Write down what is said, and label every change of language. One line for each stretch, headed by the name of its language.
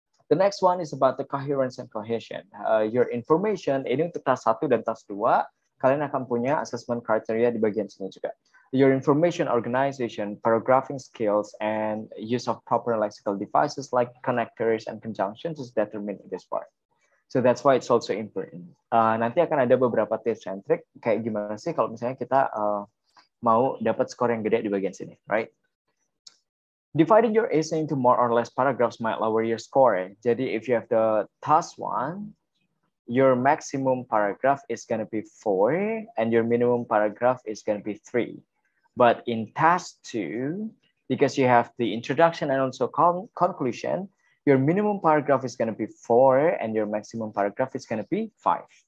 English: The next one is about the coherence and cohesion. Your information
Indonesian: ini untuk task 1 dan task 2, kalian akan punya assessment criteria di bagian sini juga.
English: Your information organization, paragraphing skills, and use of proper lexical devices like connectors and conjunctions is determined in this part. So that's why it's also important.
Indonesian: Nanti akan ada beberapa tips and trick, kayak gimana sih kalau misalnya kita mau dapat skor yang gede di bagian sini, right?
English: Dividing your essay into more or less paragraphs might lower your score. Jadi if you have the task one, your maximum paragraph is going to be 4, and your minimum paragraph is going to be 3. But in task 2, because you have the introduction and also conclusion, your minimum paragraph is going to be 4 and your maximum paragraph is going to be 5.